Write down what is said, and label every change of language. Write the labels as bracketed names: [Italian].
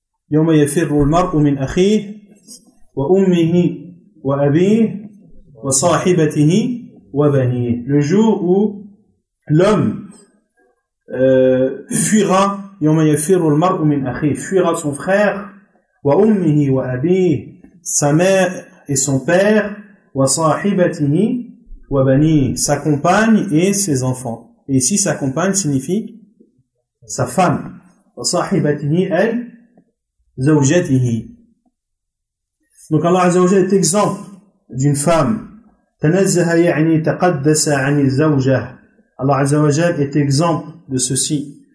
[Arabic] يوم يفر المرء من أخيه وأمه وأبيه وصاحبته وبنيه. [French] Le jour où l'homme fuira, [Arabic] يوم يفر المرء من أخيه, [French] fuira son frère, [Arabic] وأمه وأبيه, [French] sa mère et son père, [Arabic] وصاحبته وبنيه, [French] sa compagne et ses enfants. Et ici, sa compagne signifie sa femme. [Arabic] وصاحبته [French] elle [Arabic] زوجته. [French] Donc Allah عز وجل est exemple d'une femme. [Arabic] تنزه يعني تقدس عن الزوجة. [French] Allah عز وجل est exemple de ceci.